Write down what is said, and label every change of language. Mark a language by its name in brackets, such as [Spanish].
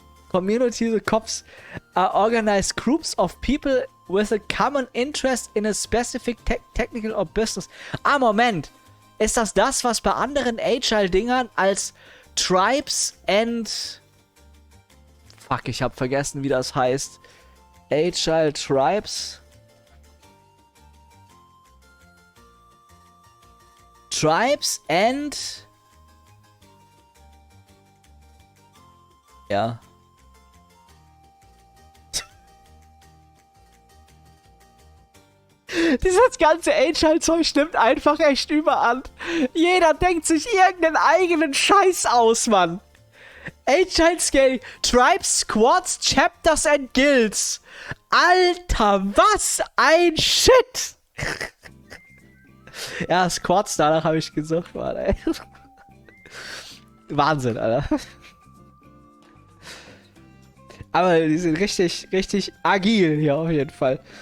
[English] Communities of COPS are organized groups of people with a common interest in a specific technical or business. [German] Ah, Moment. Ist das das, was bei anderen Agile-Dingern als [English] Tribes and... [German] Fuck, ich hab vergessen, wie das heißt. Agile Tribes. [English] Tribes and... [German] Ja. Dieses ganze Agile-Zeug stimmt einfach echt überall. Jeder denkt sich irgendeinen eigenen Scheiß aus, Mann. [English] Agile-Scale, Tribes, Squads, Chapters and Guilds. [German] Alter, was ein Shit. Ja, Squads, danach habe ich gesucht, Mann, ey. Wahnsinn, Alter. Aber die sind richtig, richtig agil hier auf jeden Fall.